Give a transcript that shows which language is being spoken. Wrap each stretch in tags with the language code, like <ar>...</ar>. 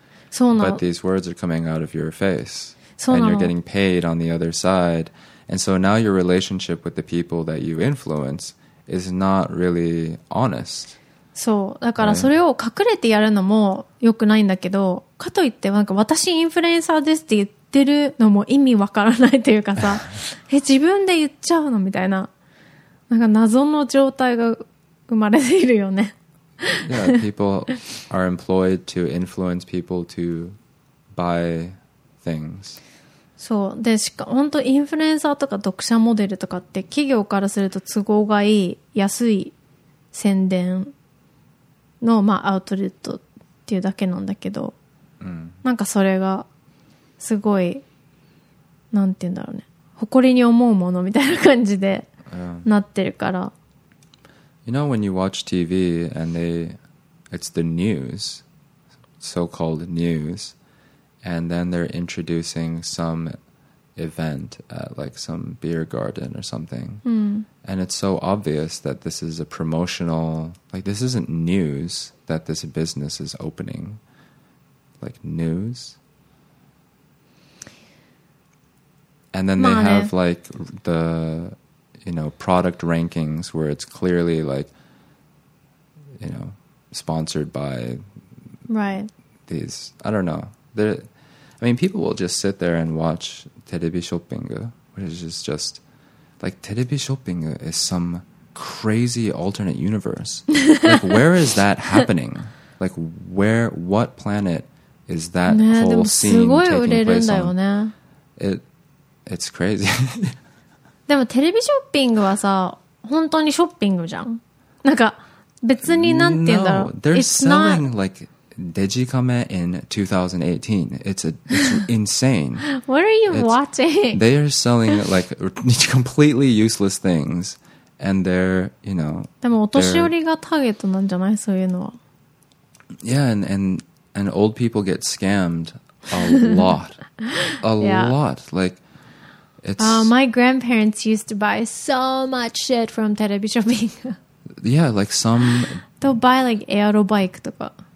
<ja>そうなの。</ja> <en>But these words are coming out of your face.</en> <ja>そうなの。</ja> <en>And you're getting paid on the other side. And so now your relationship with the people that you influence is not really honest.</en> <ja>そう。だからそれを隠れてやるのも良くないんだけど、かといってなんか私インフルエンサーですって言ってるのも意味わからないというかさ、え、自分で言っちゃうのみたいな、なんか謎の状態が生まれているよね。</ja> <en>Yeah, people are employed to influence people to buy things.</en> <ja>そうでしか本当インフルエンサーとか読者モデルとかって企業からすると都合がいい安い宣伝の、まあ、アウトレットっていうだけなんだけど、うん、なんかそれがすごいなんて言うんだろうね、誇りに思うものみたいな感じでなってるから、</ja> <en>You know when you watch TV and it's the news, so-called newsAnd then they're introducing some event at like some beer garden or something. Mm. And it's so obvious that this is a promotional, like this isn't news that this business is opening. Like news. And then they have like the, you know, product rankings where it's clearly like, you know, sponsored by right. these, I don't know. They're... I mean, people will just sit there and watch Terebi Shopping, which is just... Like, Terebi Shopping is some crazy alternate universe. Like, where is that happening? Like, where... What planet is that whole scene taking place on?</en> <ja>すごい売れるんだよね。</ja> <en>It's crazy.</en> <ja>でも、Terebi Shopping はさ、本当にショッピングじゃん。なんか、別になんて言うんだろう。</ja> <en>No, they're selling, like... Digicame in 2018. It's insane. What are you watching? They are selling like completely useless things, and they're, you know.</en> <ja>でもお年寄りがターゲットなんじゃない？そういうのは。</ja> <en>Yeah, and old people get scammed a lot, a lot. Like, it's. My grandparents used to buy so much shit from Terebi Shopping. Yeah, like some. They'll buy like aero bike</en> <ja>とか。</ja>